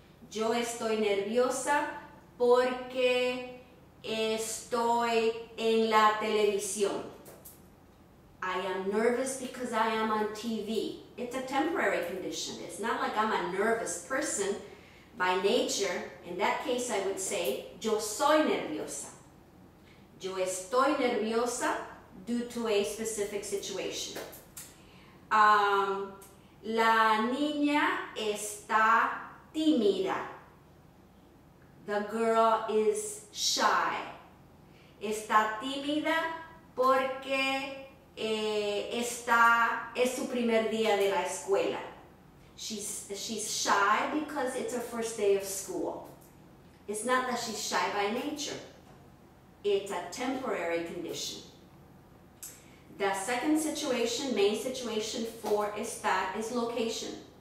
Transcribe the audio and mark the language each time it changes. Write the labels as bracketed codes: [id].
[es] Yo estoy nerviosa porque estoy en la televisión. [en] I am nervous because I am on TV. It's a temporary condition. It's not like I'm a nervous person by nature. In that case, I would say, [es] yo soy nerviosa. Yo estoy nerviosa [en] due to a specific situation. [es] La niña está tímida. [en] The girl is shy. [es] Está tímida porque es su primer día de la escuela. [en] She's shy because it's her first day of school. It's not that she's shy by nature. It's a temporary condition. The second situation, main situation for estar, is location.